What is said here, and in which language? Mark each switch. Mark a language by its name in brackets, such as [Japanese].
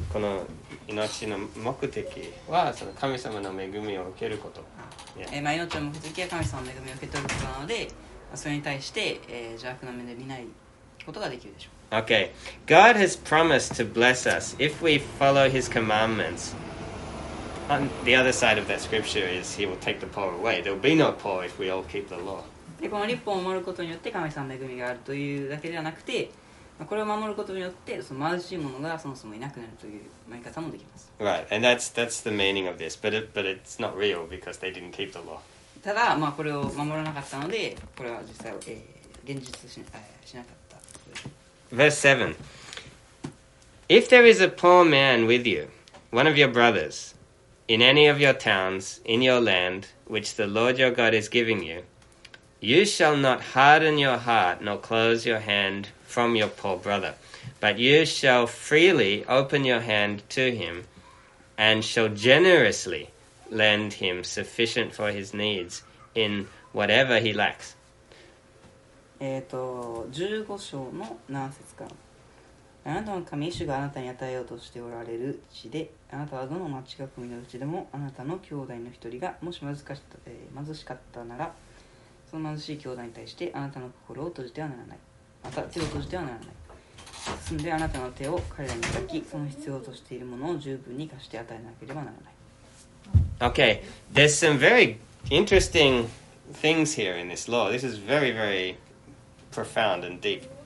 [Japanese] この命の目的はその神様の恵みを受けること、 yeah. まあ命の目的は神様の恵みを受け取ることなので、まあ、それに対して、邪悪な目で見ないことができるでしょう。 Okay. [English] God has promised to bless us if we follow his commandments. On the other side of that scripture is he will take the poor away. There will be no poor if we all keep the law. [Japanese] でこの律法を守ることによって神様の恵みがあるというだけではなくてこれを守ることによってその貧しい者がそもそもいなくなるという言い方もできます。 [English] Right, and that's the meaning of this. But it's not real because they didn't keep the law. [Japanese] ただ、まあ、これを守らなかったのでこれは実際、現実しなかった。 [English] Verse 7. If there is a poor man with you, one of your brothers, in any of your towns, in your land, which the Lord your God is giving you,You shall not harden your heart nor close your hand from your poor brother, but you shall freely open your hand to him and shall generously lend him sufficient for his needs in whatever he lacks. [Japanese] 15章の何節か。あなたの神、主があなたに与えようとしておられる地で、あなたはどの町が組のうちでも、あなたの兄弟の一人がもし貧しかったなら、その貧しい兄弟に対してあなたの心を閉じてはならない。また手を閉じてはならない。進んであなたの手を彼らに抱き、その必要としているものを十分に貸して与えなければならない。 [English] Okay, there's some very interesting things here in this law. This is very, very profound and deep.